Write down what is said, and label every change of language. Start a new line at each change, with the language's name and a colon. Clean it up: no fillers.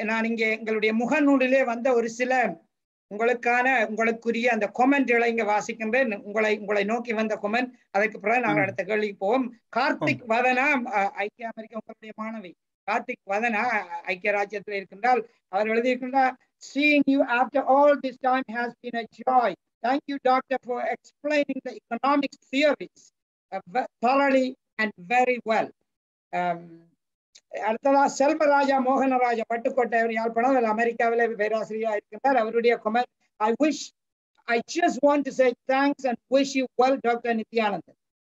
Tamil: நான் இங்கே எங்களுடைய முகநூலிலே வந்த ஒரு சில உங்களுக்கான உங்களுக்குரிய அந்த கொமெண்ட்களை இங்க வாசிக்கின்றேன். உங்களை நோக்கி வந்த கொமெண்ட், அதற்கு பிறகு நாங்கள் அடுத்த கேள்விக்கு போவோம். கார்த்திக் வதனா, ஐக்கிய அமெரிக்கா உங்களுடைய மாணவி கார்த்திக் வதனா ஐக்கிய ராஜ்யத்தில் இருக்கின்றால் அவர் எழுதியிருக்கின்றார்,
English: Seeing you after all this time has been a joy. Thank you, doctor, for explaining the economic theories thoroughly and very well.
Tamil: அடுத்ததா செல்வராஜா மோகனராஜா பட்டுக்கோட்டை அவர் யாழ்ப்பாணம் அமெரிக்காவில பேராசிரியா இருக்கின்றார். அவருடைய comment,
English: I wish I just want to say thanks and wish you well Dr. Nithiyananthan.